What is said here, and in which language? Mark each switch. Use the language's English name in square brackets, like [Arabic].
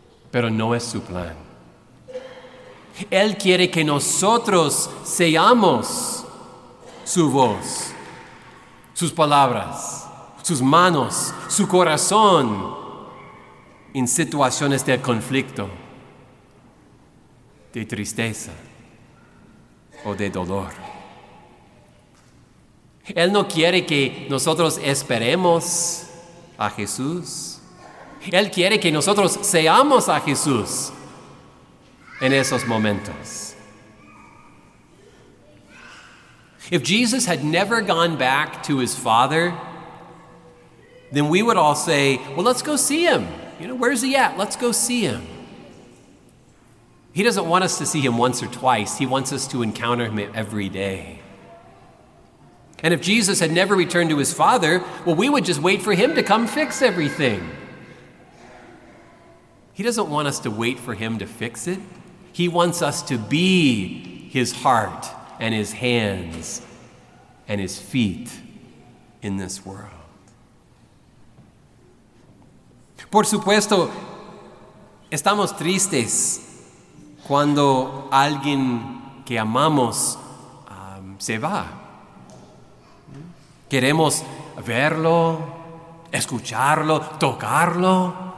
[Spanish] Pero no es su plan. Él quiere que nosotros seamos su voz, sus palabras, sus manos, su corazón en situaciones de conflicto, de tristeza o de dolor. Él no quiere que nosotros esperemos a Jesús. Él quiere que nosotros seamos a Jesús en esos momentos. [English] If Jesus had never gone back to his Father, then we would all say, well, let's go see him. You know, where's he at? Let's go see him. He doesn't want us to see him once or twice. He wants us to encounter him every day. And if Jesus had never returned to his Father, well, we would just wait for him to come fix everything. He doesn't want us to wait for him to fix it. He wants us to be his heart and his hands and his feet in this world. [Spanish] Por supuesto, estamos tristes cuando alguien que amamos se va. Queremos verlo, escucharlo, tocarlo.